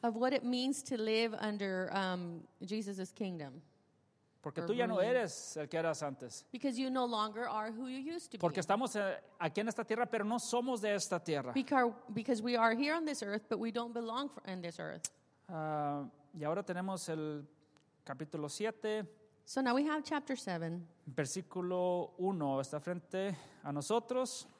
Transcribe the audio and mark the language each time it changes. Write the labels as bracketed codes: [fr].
[en] Of what it means to live under Jesus' kingdom. [es] Porque tú ya no eres el que eras antes. [en] Because you no longer are who you used to be. [es] Porque estamos aquí en esta tierra, pero no somos de esta tierra. [en] Because we are here on this earth, but we don't belong in this earth. [es] Y ahora tenemos el capítulo 7. [en] So now we have chapter 7. [es] Versículo 1 está frente a nosotros.